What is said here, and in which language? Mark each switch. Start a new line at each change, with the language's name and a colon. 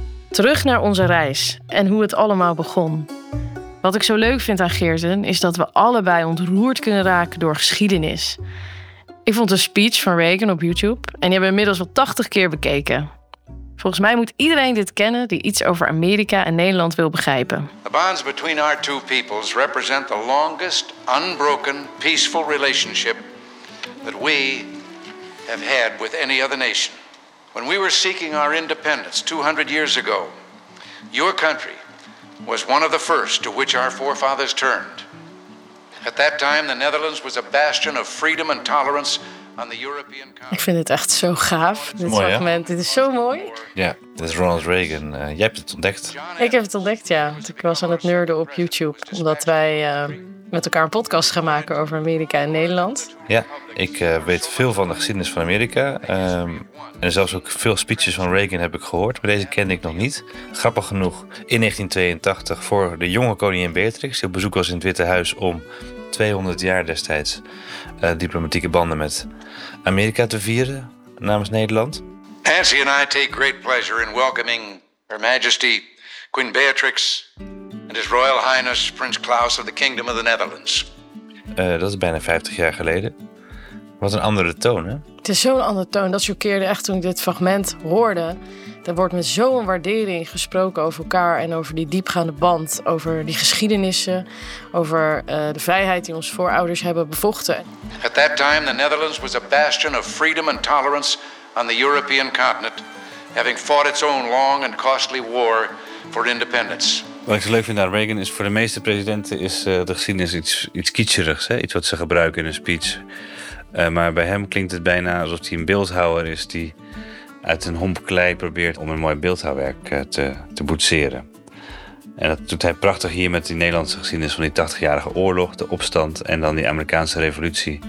Dutch: Terug naar onze reis en hoe het allemaal begon. Wat ik zo leuk vind aan Geerten is dat we allebei ontroerd kunnen raken door geschiedenis. Ik vond een speech van Reagan op YouTube en die hebben we inmiddels wel 80 keer bekeken. Volgens mij moet iedereen dit kennen die iets over Amerika en Nederland wil begrijpen.
English: The bonds between our two peoples represent the longest unbroken peaceful relationship that we have had with any other nation. When we were seeking our independence 200 years ago, your country was one of the first to which our forefathers turned. At that time, the Netherlands was a bastion of freedom and tolerance on the European continent.
Dutch: Ik vind het echt zo gaaf, dit fragment. Dit is zo mooi. Ja, dat is Ronald Reagan. Jij hebt het ontdekt. Ik heb het ontdekt, ja. Want ik was aan het nerden op YouTube, omdat wij met elkaar een podcast gaan maken over Amerika en Nederland. Ja, ik weet veel van de geschiedenis van Amerika. En zelfs ook veel speeches van Reagan heb ik gehoord. Maar deze kende ik nog niet. Grappig genoeg, in 1982 voor de jonge koningin Beatrix, die op bezoek was in het Witte Huis om 200 jaar destijds diplomatieke banden met Amerika te vieren namens Nederland.
English: Nancy and I take great pleasure in welcoming Her Majesty Queen Beatrix and His Royal Highness Prince Klaus of the Kingdom of the Netherlands.
Dutch: Dat is bijna 50 jaar geleden. Wat een andere toon, hè? Het is zo'n andere toon. Dat choqueerde echt toen ik dit fragment hoorde. Er wordt met zo'n waardering gesproken over elkaar en over die diepgaande band, over die geschiedenissen, over de vrijheid die onze voorouders hebben bevochten.
English: At that time, the Netherlands was a bastion of freedom and tolerance on the European continent, having fought its own long and costly war for independence.
Dutch: Wat ik zo leuk vind aan Reagan is, voor de meeste presidenten is de geschiedenis iets kitscherigs, hè? Iets wat ze gebruiken in een speech. Maar bij hem klinkt het bijna alsof hij een beeldhouwer is die uit een homp klei probeert om een mooi beeldhouwwerk te boetseren. En dat doet hij prachtig hier met die Nederlandse geschiedenis van die 80-jarige oorlog, de opstand en dan die Amerikaanse revolutie.